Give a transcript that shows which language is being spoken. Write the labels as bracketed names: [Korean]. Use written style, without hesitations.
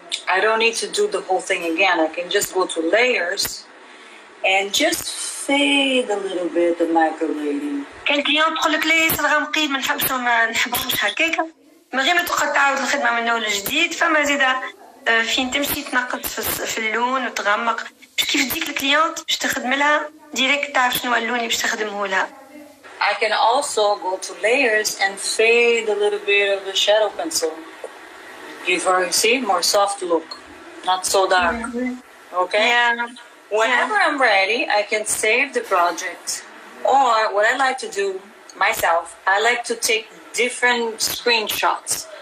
[English] I don't need to do the whole thing again. I can just go to layers and just fade a little bit the microblading. Yeah, [Arabic] فين تمشي تنقد في اللون وتغمق باش كيف ديك الكليانت باش تخدم لها ديريكت تعرف شنو اللون اللي باش تخدمه لها. [English] I can also go to layers and fade a little bit of the shadow pencil. Give her, see, more soft look, not so dark. Okay? Yeah. Whenever I'm ready, I can save the project. Or what I like to do myself, I like to take different screenshots.